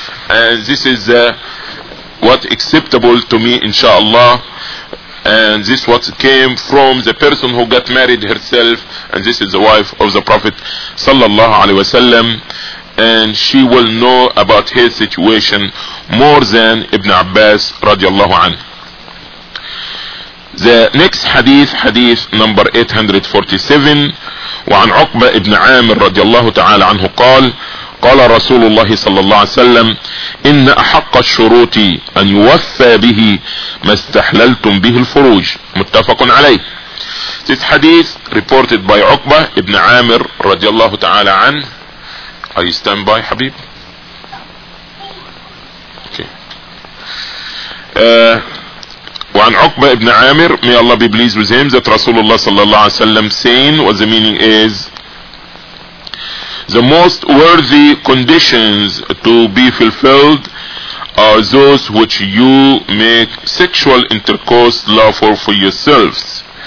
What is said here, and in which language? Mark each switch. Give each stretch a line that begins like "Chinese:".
English: And this is what acceptable to me, inshallah. And this what came from the person who got married herself, and this is the wife of the Prophet sallallahu alaihi wasallam. And she will know about his situation more than Ibn Abbas radiallahu anhu. The next hadith, hadith number 847,
Arabic: وعن عقبة ابن عامر radiallahu ta'ala anhu قال قال رسول الله صلى الله عليه وسلم إن أحق الشروط أن يوفى به ما استحللتم به الفروج. متفق عليه.
English: This hadith reported by عقبة ابن عامر radiallahu ta'ala anhu. Are you stand by, Habib? Okay. وعن عقبة ابن عامر, may Allah be pleased with him, that Rasulullah sallallahu alayhi wa sallam saying, what the meaning is, the most worthy conditions to be fulfilled are those which you make sexual intercourse lawful for yourselves.